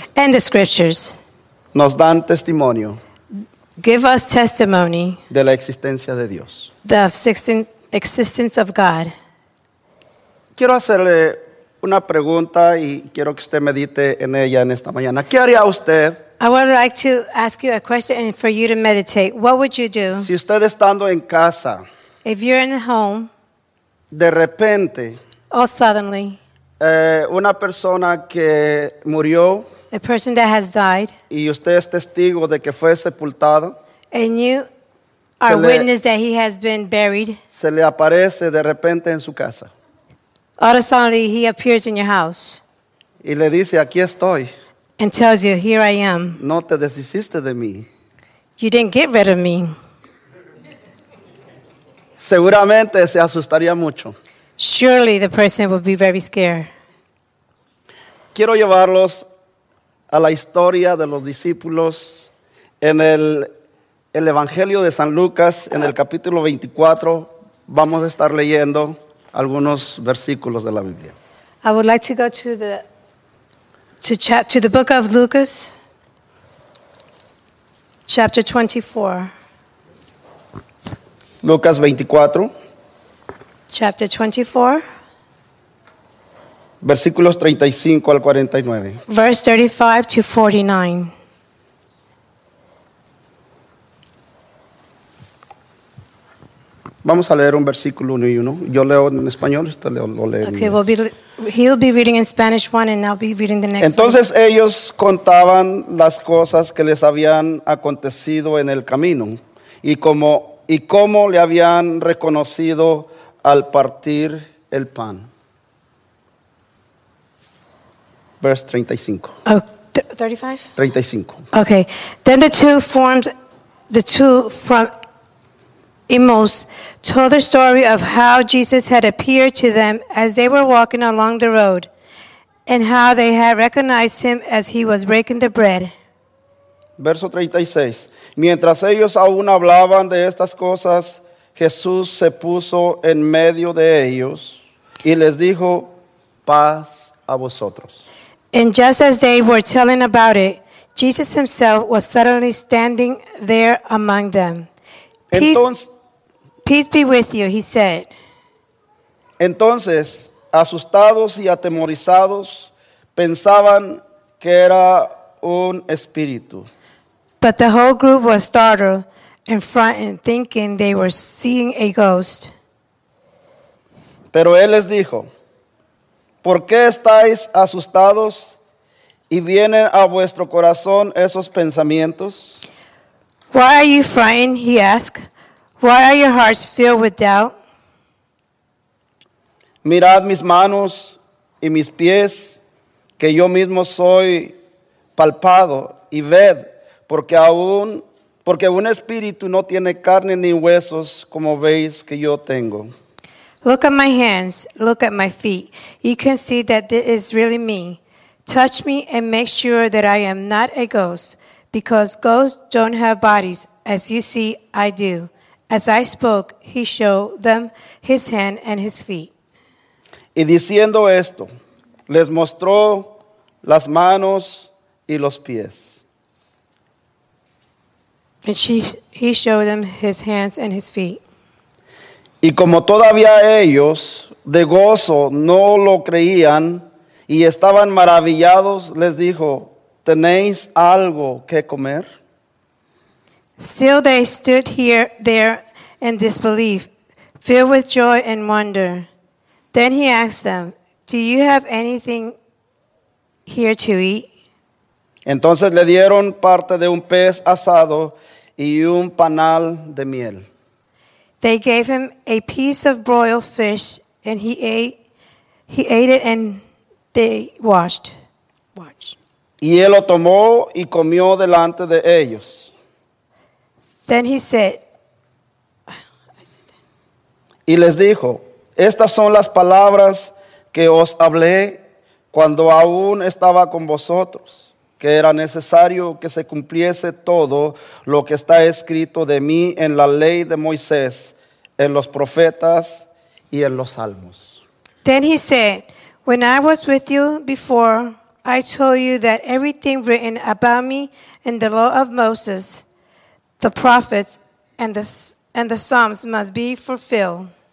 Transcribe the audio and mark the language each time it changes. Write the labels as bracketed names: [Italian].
[English] And the scriptures. [Spanish] Nos dan testimonio. [English] Give us testimony. [Spanish] De la existencia de Dios. [English] The existence of God. [Spanish] Quiero hacerle Una pregunta y quiero que usted medite en ella en esta mañana. ¿Qué haría usted? [English] I would like to ask you a question and for you to meditate. What would you do? [Spanish] Si usted estando en casa. [English] If you're in the home. [Spanish] De repente. [English] All suddenly. [Spanish] Una persona que murió. [English] A person that has died. [Spanish] Y usted es testigo de que fue sepultado. [English] And you are witness that he has been buried. [Spanish] Se le aparece de repente en su casa. [English] All of a sudden, he appears in your house. [Spanish] Y le dice, aquí estoy. [English] And tells you, here I am. [Spanish] No te deshiciste de mí. [English] You didn't get rid of me. [Spanish] Seguramente se asustaría mucho. [English] Surely the person would be very scared. [Spanish] Quiero llevarlos a la historia de los discípulos en el Evangelio de San Lucas, en el capítulo 24. Vamos a estar leyendo algunos versículos de la Biblia. [English] I would like to go to the book of Lucas, chapter 24. Lucas 24. Chapter 24. [Spanish] Versículos 35 al 49. [English] Verse 35 to 49. [Spanish] Vamos a leer un versículo uno y uno. Yo leo en español, usted lo lee en inglés. [English] He'll be reading in Spanish one and I'll be reading the next. [Spanish] Entonces ellos contaban las cosas que les habían acontecido en el camino y cómo le habían reconocido al partir el pan. [English] Verse 35. Oh, 35? 35. Okay. Then the two from Emmaus told the story of how Jesus had appeared to them as they were walking along the road and how they had recognized him as he was breaking the bread. [Spanish] Verso 36. Mientras ellos aún hablaban de estas cosas, Jesús se puso en medio de ellos y les dijo, paz a vosotros. [English] And just as they were telling about it, Jesus himself was suddenly standing there among them. Peace be with you, he said. [Spanish] Entonces, asustados y atemorizados, pensaban que era un espíritu. [English] But the whole group was startled and frightened, thinking they were seeing a ghost. [Spanish] Pero él les dijo, ¿por qué estáis asustados y vienen a vuestro corazón esos pensamientos? [English] Why are you frightened, he asked. Why are your hearts filled with doubt? [Spanish] Mirad mis manos y mis pies, que yo mismo soy palpado, y ved, porque un espíritu no tiene carne ni huesos, como veis que yo tengo. [English] Look at my hands, look at my feet. You can see that this is really me. Touch me and make sure that I am not a ghost, because ghosts don't have bodies, as you see I do. As I spoke, he showed them his hand and his feet. [Spanish] Y diciendo esto, les mostró las manos y los pies. [English] And he showed them his hands and his feet. [Spanish] Y como todavía ellos de gozo no lo creían y estaban maravillados, les dijo, ¿tenéis algo que comer? [English] Still they stood there in disbelief, filled with joy and wonder. Then he asked them, do you have anything here to eat? [Spanish] Entonces le dieron parte de un pez asado y un panal de miel. [English] They gave him a piece of broiled fish and he ate it and they watched. [Spanish] Y él lo tomó y comió delante de ellos. [English] Then he said, [Spanish] y les dijo, estas son las palabras que os hablé cuando aún estaba con vosotros, que era necesario que se cumpliese todo lo que está escrito de mí en la ley de Moisés, en los profetas y en los salmos. [English] Then he said, when I was with you before, I told you that everything written about me in the law of Moses, the prophets, and the Psalms must be fulfilled.